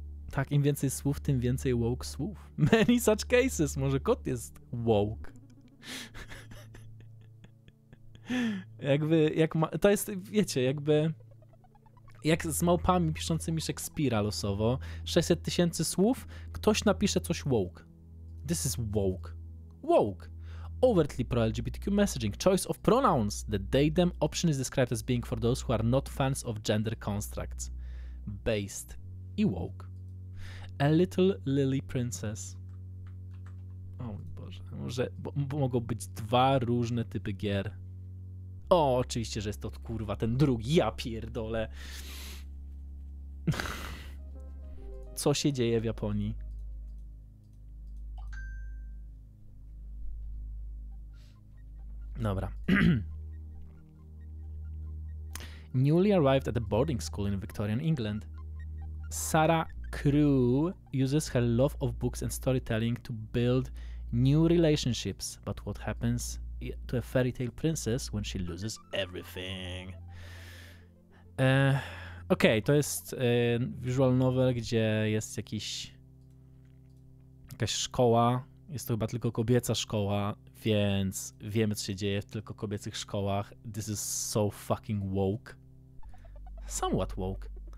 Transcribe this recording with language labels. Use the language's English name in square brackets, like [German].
[Polish] Tak, im więcej słów, tym więcej woke słów. [English] Many such cases, [Polish] może kot jest woke. Jakby, jak ma, to jest, wiecie, jakby jak z małpami piszącymi Szekspira losowo, 600 tysięcy słów, ktoś napisze coś woke. [English] This is woke. Woke. Overtly pro-LGBTQ messaging. Choice of pronouns. The they them option is described as being for those who are not fans of gender constructs. Based. I woke. A little lily princess. [Polish] O mój Boże. Może mogą być dwa różne typy gier. O, oczywiście, że jest to kurwa ten drugi. Ja pierdolę. Co się dzieje w Japonii? Dobra. [English] Newly arrived at a boarding school in Victorian England, Sarah Crewe uses her love of books and storytelling to build new relationships. But what happens to a fairy tale princess when she loses everything? [Polish] Okej, okay, to jest visual novel, gdzie jest jakaś szkoła. Jest to chyba tylko kobieca szkoła, więc wiemy, co się dzieje w tylko kobiecych szkołach. [English] This is so fucking woke. Somewhat woke.